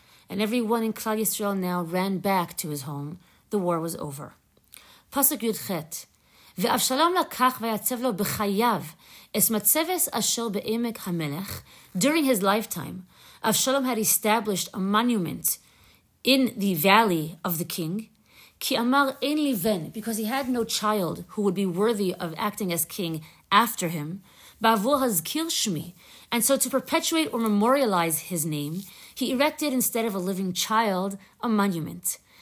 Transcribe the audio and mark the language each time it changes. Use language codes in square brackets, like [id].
[en] And everyone in Klal Yisrael now ran back to his home. The war was over. [he] Pasuk Yud Chet. ואבשלום לקח ויצב לו בחייו את מצבת אשר בעמק המלך. [en] During his lifetime, Avshalom had established a monument in the valley of the king. [he] Ki amar ein li ben, [en] because he had no child who would be worthy of acting as king after him. [he] Ba'avur hazkir shmi, [en] and so to perpetuate or memorialize his name, he erected, instead of a living child, a monument.